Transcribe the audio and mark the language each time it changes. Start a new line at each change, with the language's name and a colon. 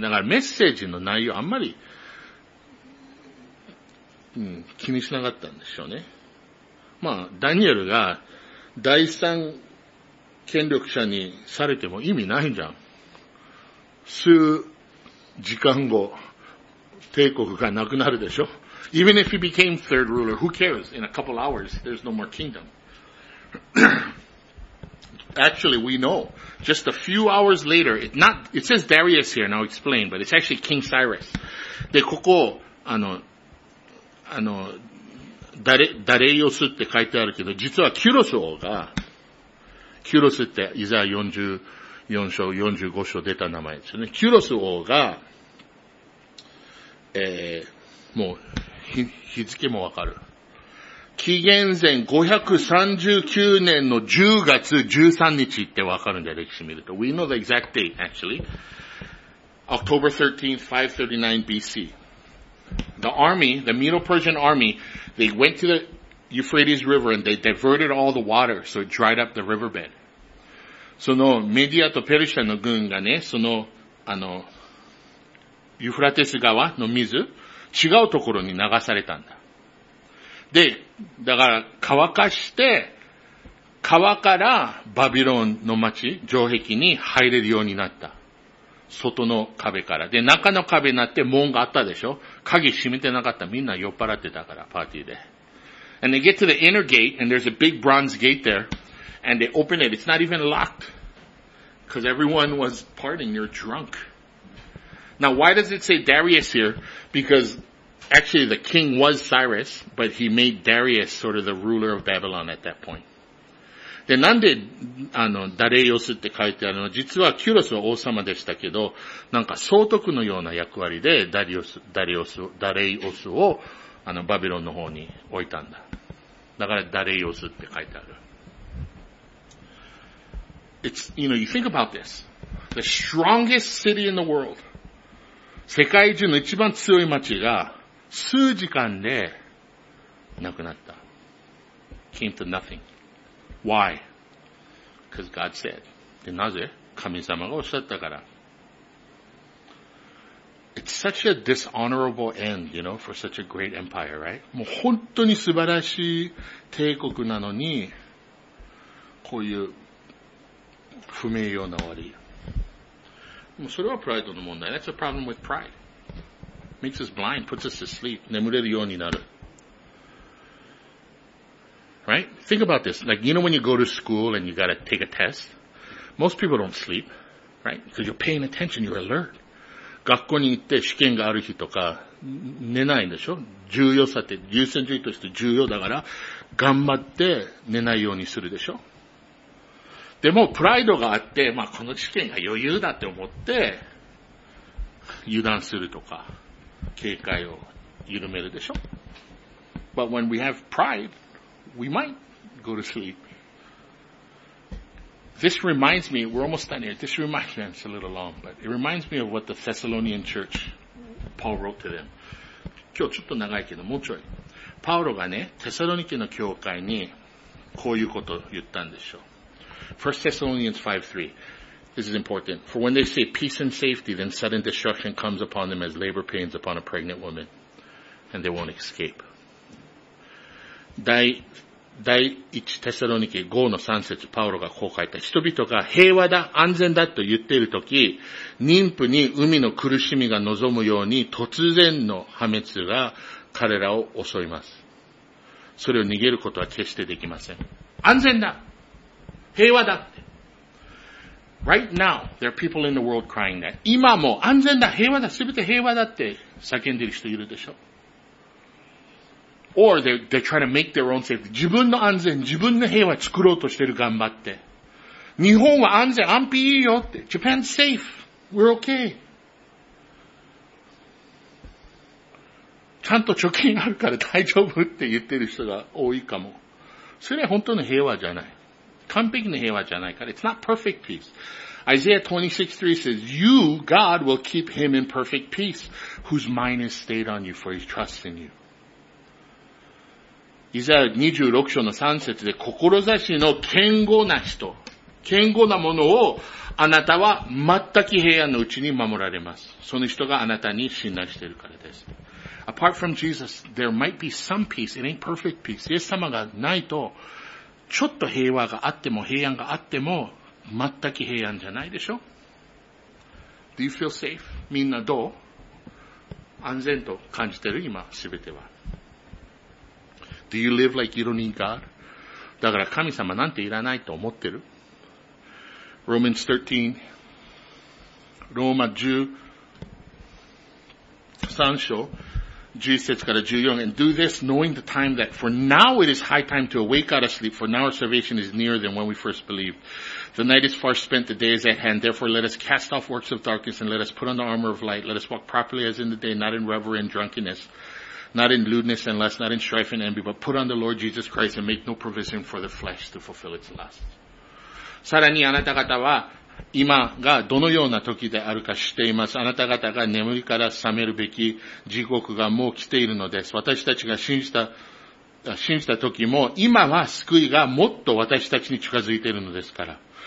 Japanese: だからメッセージの内容あんまり、気にしなかったんでしょうね。まあ、ダニエルが第三権力者にされても意味ないじゃん。数時間後、帝国がなくなるでしょ。
English: Even if he became third ruler, who cares? In a couple hours, there's no more kingdom. Actually, we know. Just a few hours later, it says Darius here, and I'll explain, but it's actually King Cyrus.
Japanese: で、ここ、ダレイオスって書いてあるけど、実はキュロス王が、キュロスってイザヤ44章、45章出た名前ですよね。キュロス王が、もう日付もわかる。紀元前539年の10月13日ってわかるんだよ、歴史見ると。
English: We know the exact date, actually. October 13th, 539 BC. The army, the Medo-Persian army, they went to the Euphrates River and they diverted all the water, so it dried up the riverbed.
Japanese: そのメディアとペルシャの軍がね、その、ユフラテス川の水、違うところに流されたんだ。で、だから乾かして、川からバビロンの町、城壁に入れるようになった。外の壁から。で、中の壁になって門があったでしょ？鍵閉めてなかった。みんな酔っ払ってたから、パーティーで。
English: And they get to the inner gate, and there's a big bronze gate there, and they open it. It's not even locked. Because everyone was partying, you're drunk. Now, why does it say Darius here? Because, actually, the king was Cyrus, but he made Darius sort of the ruler of Babylon at that point.
Japanese: で、なんで、ダレイオスって書いてあるの？実は、キュロスは王様でしたけど、なんか、総督のような役割で、ダレイオスを、バビロンの方に置いたんだ。だから、ダレイオスって書いてある。
English: It's, you know, you think about this. The strongest city in the world.
Japanese: 世界中の一番強い街が、数時間で、亡くなった。
English: came to nothing. Why? Because God said.
Japanese: で、なぜ？神様がおっしゃったから。
English: It's such a dishonorable end, you know, for such a great empire, right?
Japanese: もう本当に素晴らしい帝国なのに、こういう不名誉な終わり。もうそれはプライドの問題。
English: That's a problem with pride. Makes us blind, puts us to sleep.
Japanese: 眠れるようになる。
English: Right? Think about this. Like, you know when you go to school and you gotta take a test? Most people don't sleep. Right? Because you're paying attention, you're alert.
Japanese: 学校に行って試験がある日とか、寝ないんでしょ？重要さって、優先順位として重要だから、頑張って寝ないようにするでしょ？でも、プライドがあって、まあ、この試験が余裕だって思って、油断するとか、警戒を緩めるでしょ？
English: But when we have pride,We might go to sleep. This reminds me, we're almost done here. This reminds me, it's a little long, but it reminds me of what the Thessalonian church, Paul wrote to them.
Japanese: 今日ちょっと長いけど、もうちょい。パウロがね、テサロニケの教会にこういうことを言ったんでしょう。
English: 1 Thessalonians 5:3. This is important. For when they say peace and safety, then sudden destruction comes upon them as labor pains upon a pregnant woman, and they won't escape.
Japanese: 第一テサロニケ5の3節、パウロがこう書いた。人々が平和だ、安全だと言っているとき、妊婦に海の苦しみが望むように突然の破滅が彼らを襲います。それを逃げることは決してできません。安全だ、平和だ。
English: Right now, there are people in the world crying that.
Japanese: 今も安全だ、平和だ、すべて平和だって叫んでいる人いるでしょ。
English: Or they're trying to make their own safety.
Japanese: 自分の安全、自分の平和作ろうとしてる、頑張って。日本は安全、安否いいよって。
English: Japan's safe. We're okay.
Japanese: ちゃんと貯金あるから大丈夫って言ってる人が多いかも。それは本当の平和じゃない。完璧な平和じゃないから。
English: It's not perfect peace. Isaiah 26:3 says, You, God, will keep him in perfect peace, whose mind is stayed on you, for he trusts in you.
Japanese: イザヤ26章の3節で、志の堅固な人、堅固なものを、あなたは全く平安のうちに守られます。その人があなたに信頼しているからです。
English: Apart from Jesus, there might be some peace. It ain't perfect peace.
Japanese: イエス様がないと、ちょっと平和があっても、平安があっても、全く平安じゃないでしょ ?
English: Do you feel safe?
Japanese: みんなどう? 安全と感じてる今、すべては。
English: Do you live like you don't need God?
Japanese: だから神様なんていらないと思ってる。
English: Romans 13,
Japanese: ローマ13章、10節から14
English: And do this knowing the time that for now it is high time to awake out of sleep, for now our salvation is nearer than when we first believed. The night is far spent, the day is at hand. Therefore let us cast off works of darkness and let us put on the armor of light. Let us walk properly as in the day, not in revelry and drunkenness. Not in lewdness and lust, not in strife and envy, but put on the Lord Jesus Christ and make no provision for the flesh to fulfill its lust.
Japanese: さらにあなた方は今がどのような時であるか知っています。あなた方が眠りから覚めるべき時刻がもう来ているのです。私たちが信じた時も今は救いがもっと私たちに近づいているのですから。